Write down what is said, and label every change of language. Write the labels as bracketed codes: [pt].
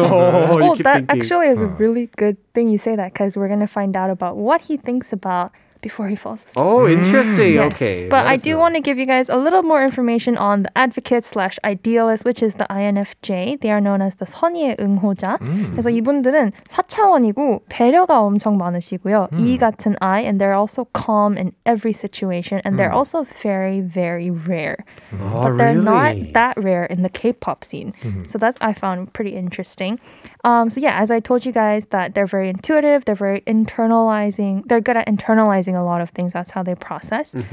[en] Well, that actually is a really good thing you say that because we're going to find out about what he thinks about before he falls asleep. Oh, interesting. Okay. But I do want to give you guys a little more information on the advocate / idealist, which is the INFJ. They are known as the [ko] 선의의 응호자. 그래서 이분들은 4차원이고 배려가 엄청 많으시고요. [en] E 같은 I, and they're also calm in every situation, and they're also very, very rare. Oh, but they're really? Not that rare in the K-pop scene. So that I found pretty interesting. So yeah, as I told you guys that they're very intuitive, they're very internalizing, they're good at internalizing a lot of things, that's how they process.